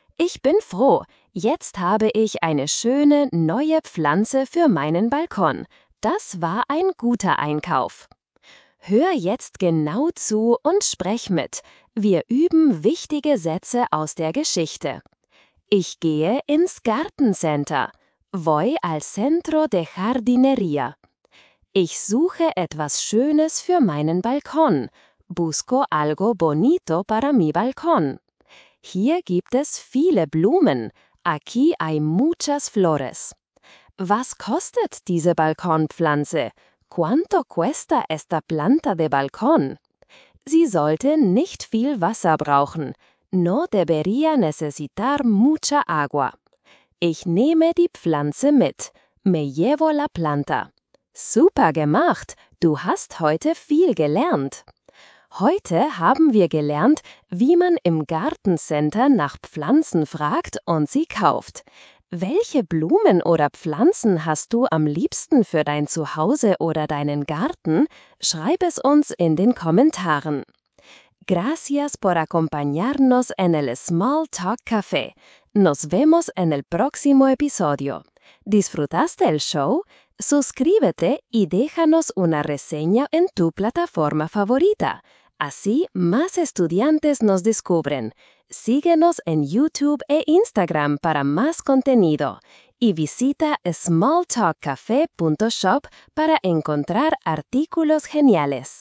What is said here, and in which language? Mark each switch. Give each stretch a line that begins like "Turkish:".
German: Ich bin froh, jetzt habe ich eine schöne neue Pflanze für meinen Balkon. Das war ein guter Einkauf. Hör jetzt genau zu und sprech mit. Wir üben wichtige Sätze aus der Geschichte. Ich gehe ins Gartencenter.
Spanish: Voy al centro de jardinería.
German: Ich suche etwas Schönes für meinen Balkon.
Spanish: Busco algo bonito para mi balcón.
German: Hier gibt es viele Blumen.
Spanish: Aquí hay muchas flores.
German: Was kostet diese Balkonpflanze?
Spanish: ¿Cuánto cuesta esta planta de balcón?
German: Sie sollte nicht viel Wasser brauchen.
Spanish: No debería necesitar mucha agua.
German: Ich nehme die Pflanze mit.
Spanish: Me llevo la planta.
German: Super gemacht! Du hast heute viel gelernt. Heute haben wir gelernt, wie man im Gartencenter nach Pflanzen fragt und sie kauft. Welche Blumen oder Pflanzen hast du am liebsten für dein Zuhause oder deinen Garten? Schreib es uns in den Kommentaren.
Spanish: Gracias por acompañarnos en el Small Talk Café. Nos vemos en el próximo episodio. ¿Disfrutaste el show? Suscríbete y déjanos una reseña en tu plataforma favorita. Así más estudiantes nos descubren. Síguenos en YouTube e Instagram para más contenido y visita smalltalkcafe.shop para encontrar artículos geniales.